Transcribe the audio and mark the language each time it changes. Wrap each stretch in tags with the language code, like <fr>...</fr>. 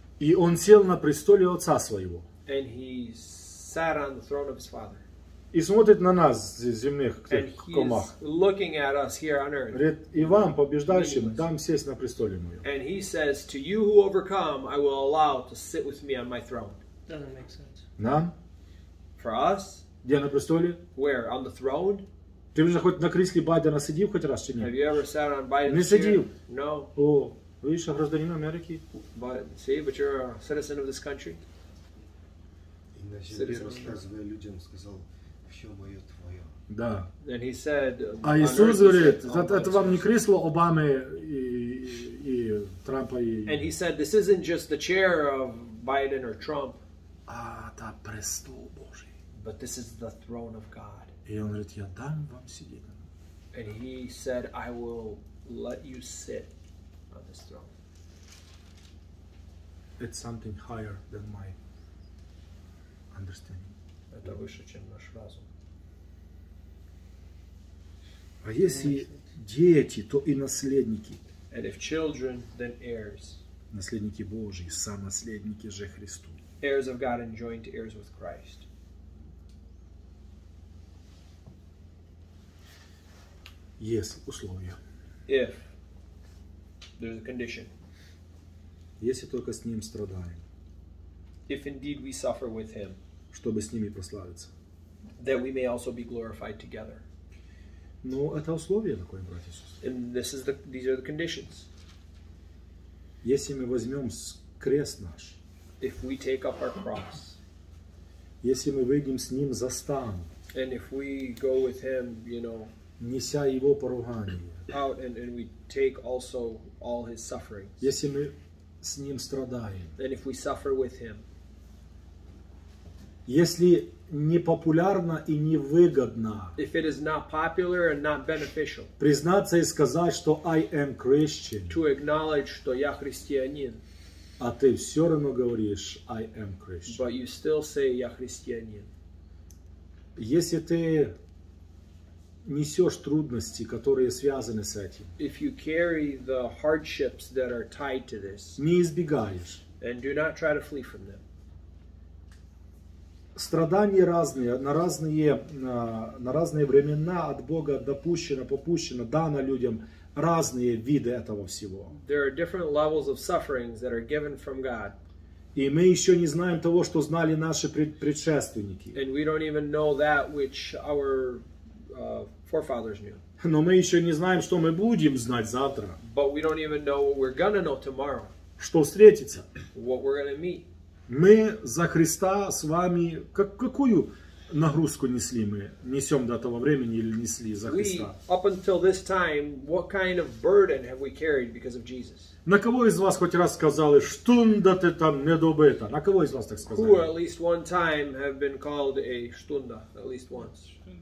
<ru>И Он сел на престоле Отца Своего.</ru> <en>And he sat on the throne of his father.</en> <ru>И смотрит на нас земных комах.</ru> <en>And he's looking at us here on earth.</en> <ru>Говорит, и вам, побеждающим, дам сесть на престоле моем.</ru> <en>And he says, to you who overcome, I will allow to sit with me on my throne. Doesn't make sense.</en> <ru>Нам?</ru> <en>For us?</en> <ru>Где на престоле?</ru> <en>Where? On the throne?</en> <ru>Ты уже хоть на кресле Байдена сидел хоть раз, или нет?</ru> <en>Have you ever sat on Biden's chair?</en> <ru>Не сидел.</ru> <en>No.</en> <ru>О, видишь, гражданин Америки.</ru> <en>But, see, but you're a citizen of this country.</en> <ru>Людям</ru> <uk>сказав, все моє твоє. Да.</uk> <en>And he said,</en> <uk>это вам не крісло Обами і Трампа і.</uk> <en>And he said, this isn't just the chair of Biden or Trump.</en> <uk>А та престол Божий.</uk> <en>But this is the throne of God.</en> <uk>І він говорить, я дам вам сидіти.</uk> <en>And he said, I will let you sit on this throne. It's something higher than my understanding.</en> <ru>Это выше, чем наш разум. А если дети, то и наследники.</ru> <en>And if children, then heirs.</en> <ru>Наследники Божьи, сонаследники же Христу.</ru> <en>Heirs of God and joint heirs with Christ.</en> <ru>Есть условия.</ru> <en>If there's a condition.</en> <ru>Если только с ним страдаем.</ru> <en>If indeed we suffer with him.</en> <ru>Чтобы с ними прославиться.</ru> <en>That we may also be glorified together.</en> <ru>Ну, это условие такое, братья и сестры.</ru> <en>And this is the, these are the conditions.</en> <ru>Если мы возьмем крест наш.</ru> <en>If we take up our cross.</en> <ru>Если мы выйдем с ним за стан.</ru> <en>And if we go with him, you know.</en> <ru>Неся его поругание.</ru> <en>Out and we take also all his sufferings.</en> <ru>Если мы с ним страдаем.</ru> <en>And if we suffer with him.</en> <ru>Если не популярно и не выгодно.</ru> <en>If it is not popular and not beneficial.</en> <ru>Признаться и сказать, что</ru> <en>I am Christian. To acknowledge,</en> <ru>что я христианин. А ты все равно говоришь</ru> <en>I am Christian. But you still say</en> <ru>я христианин. Если ты несешь трудности, которые связаны с этим.</ru> <en>If you carry the hardships that are tied to this.</en> <ru>Не избегаешь.</ru> <en>And do not try to flee from them.</en> <ru>Страдания разные, на разные времена от Бога допущено, попущено, дано людям разные виды этого всего.</ru> <en>There are different levels of sufferings that are given from God.</en> <ru>И мы еще не знаем того, что знали наши предшественники.</ru> <en>And we don't even know that which our forefathers knew.</en> <ru>Но мы еще не знаем, что мы будем знать завтра.</ru> <en>But we don't even know what we're gonna know tomorrow.</en> <ru>Что встретится.</ru> <en>What we're gonna meet.</en> <ru>Мы за Христа с вами, какую нагрузку несли мы, несем до того времени или несли за Христа?</ru> <en>We, up until this time, what kind of burden have we carried because of Jesus?</en> <ru>На кого из вас хоть раз сказали, что да ты там, не добыто? На кого из вас так сказали?</ru> <en>Who at least one time have been called a штунда, at least once?</en>